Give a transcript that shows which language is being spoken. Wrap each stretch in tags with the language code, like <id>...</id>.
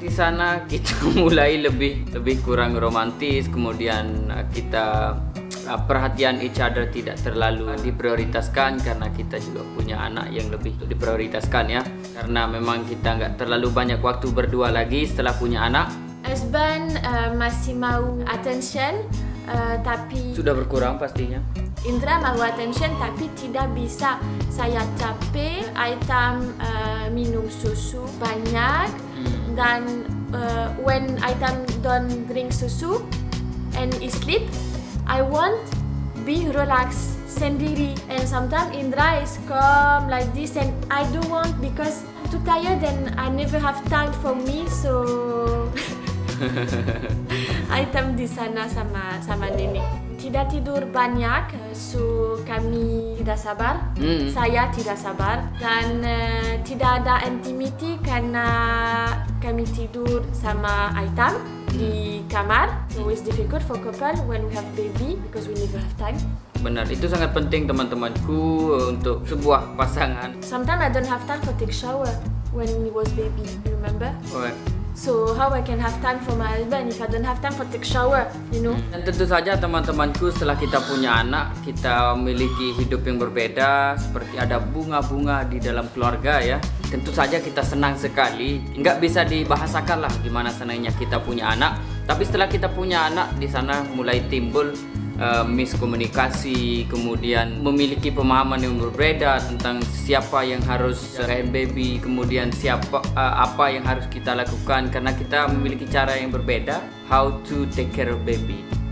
<id>Di sana kita mulai lebih kurang romantis, kemudian kita perhatian</id> <en>each other</en> <id>tidak terlalu diprioritaskan karena kita juga punya anak yang lebih untuk diprioritaskan ya. Karena memang kita enggak terlalu banyak waktu berdua lagi setelah punya anak. Husband masih mau attention. Tapi sudah berkurang pastinya. Indra mau attention tapi tidak bisa. Saya capek, Aitam minum susu banyak.</id> <en>Dan when Aitam don't drink susu and he sleep, I want be relax sendiri. And sometimes Indra is calm like this and I don't want because I'm too tired and I never have time for me, so Aitam</en> <id>di sana sama nenek. Tidak tidur banyak, so kami tidak sabar. Saya tidak sabar. Dan tidak ada intimity karena kami tidur sama Aitam di kamar.</id> <en>So it's difficult for couple when we have baby because we never have time.</en> <id>Benar, itu sangat penting teman-temanku untuk sebuah pasangan.</id> <en>Sometimes I don't have time to take shower when he was baby, you remember? Okay. So how I can have time for my husband if I don't have time for take shower, you know?</en> <id>Dan tentu saja teman-temanku, setelah kita punya anak, kita memiliki hidup yang berbeda, seperti ada bunga-bunga di dalam keluarga ya. Tentu saja kita senang sekali, nggak bisa dibahasakan lah gimana senangnya kita punya anak. Tapi setelah kita punya anak, di sana mulai timbul miskomunikasi, kemudian memiliki pemahaman yang berbeda tentang siapa yang harus jagain baby, kemudian siapa apa yang harus kita lakukan karena kita memiliki cara yang berbeda</id> <en>how to take care of baby.</en>